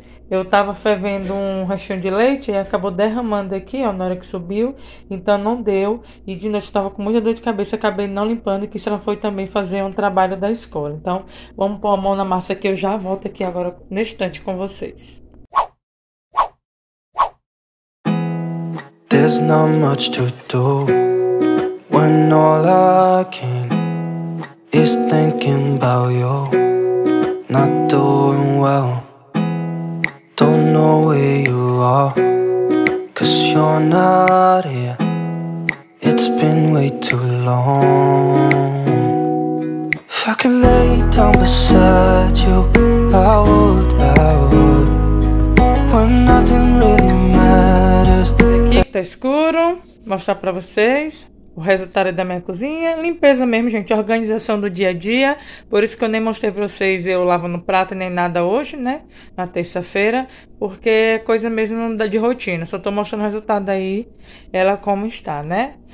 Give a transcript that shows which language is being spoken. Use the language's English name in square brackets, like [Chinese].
[Portuguese] Eu tava fervendo um rachinho de leite e acabou derramando aqui, ó, na hora que subiu. Então não deu. E de noite eu tava com muita dor de cabeça, acabei não limpando. E que se ela foi também fazer um trabalho da escola. Então vamos pôr a mão na massa que eu já volto aqui agora, neste instante, com vocês. [English] There's not much to do when all I can is thinking about you. Not doing well. Don't know where you are, 'cause you're not here. It's been way too long. If I could lay down beside you, I would, I would. When nothing really matters. [Portuguese] Tá escuro, mostrar pra vocês o resultado da minha cozinha. Limpeza mesmo, gente, organização do dia a dia. Por isso que eu nem mostrei pra vocês eu lavando prato nem nada hoje, né? Na terça-feira, porque é coisa mesmo de rotina. Só tô mostrando o resultado aí, ela como está, né?